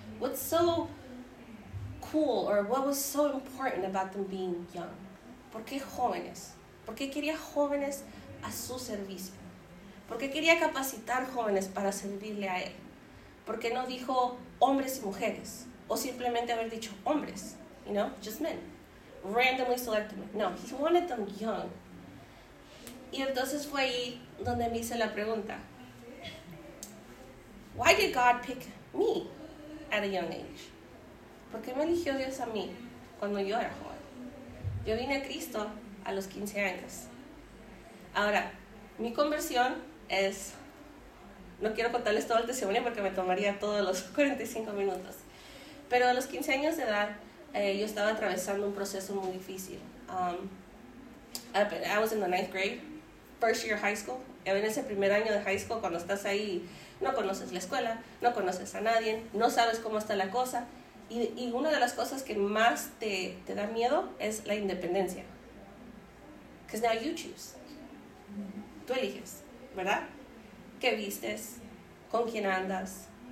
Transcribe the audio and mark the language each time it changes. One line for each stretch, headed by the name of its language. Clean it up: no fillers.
English: What's so cool or what was so important about them being young?
Spanish: ¿Por qué jóvenes? ¿Por qué quería jóvenes a su servicio? ¿Por qué quería capacitar jóvenes para servirle a él? ¿Por qué no dijo hombres y mujeres? O simplemente haber dicho hombres,
English: you know, just men. Randomly selected men. No, he wanted them young.
Spanish: Y entonces fue ahí donde me hice la pregunta.
English: Why did God pick me at a young age?
Spanish: ¿Por qué me eligió Dios a mí cuando yo era joven? Yo vine a Cristo a los 15 años. Ahora, mi conversión es... No quiero contarles todo el testimonio porque me tomaría todos los 45 minutos. Pero a los 15 años de edad, yo estaba atravesando un proceso muy difícil.
English: I was in the ninth grade, first year high school.
Spanish: En ese primer año de high school, cuando estás ahí, no conoces la escuela, no conoces a nadie, no sabes cómo está la cosa. Y una de las cosas que más te da miedo es la independencia.
English: Because now you choose.
Spanish: Tú eliges, ¿verdad? ¿Qué vistes? ¿Con quién andas?